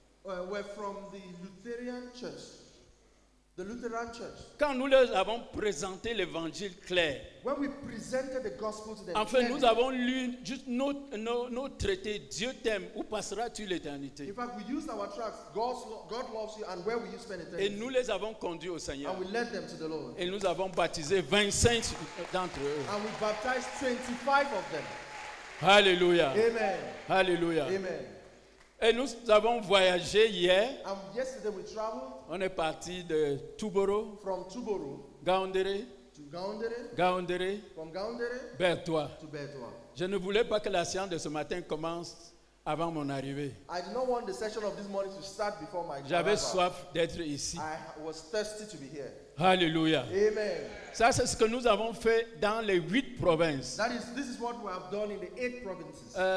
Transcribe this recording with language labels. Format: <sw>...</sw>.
<en>Were from the Lutheran church. The Lutheran church.</en> <fr>Quand nous leur avons présenté l'évangile clair,</fr> <en>When we presented the gospel to them,</en> <fr>enfin nous avons lu juste nos traités, Dieu t'aime, où passeras-tu l'éternité?</fr> <en>In fact, we used our tracts, God loves you, and where will you spend eternity?</en> <fr>Et nous les avons conduits au Seigneur.</fr> <en>And we led them to the Lord.</en> <fr>Et nous avons baptisé 25 d'entre eux.</fr> <en>And we baptized 25 of them.</en> <fr>Hallelujah.</fr> <en>Amen.</en> <fr>Hallelujah.</fr> <en>Amen.</en> <fr>Et nous avons voyagé hier.</fr> <en>And yesterday we traveled.</en> <fr>On est parti de Tuboro.</fr> <en>From Tuboro.</en> <fr>Gaoundéré.</fr> <en>To Gaoundéré.</en> <fr>Gaoundéré.</fr> <en>From Gaoundéré.</en> <fr>Bertois.</fr> <en>To Bertois.</en> <fr>Je ne voulais pas que la séance de ce matin commence avant mon arrivée.</fr> <en>I did not want the session of this morning to start before my arrival.</en> <fr>J'avais soif d'être ici.</fr> <en>I was thirsty to be here.</en> <fr>Hallelujah.</fr> <en>Amen.</en> <fr>Ça, c'est ce que nous avons fait dans les 8 provinces.</fr> <en>This is what we have done in the 8 provinces.</en>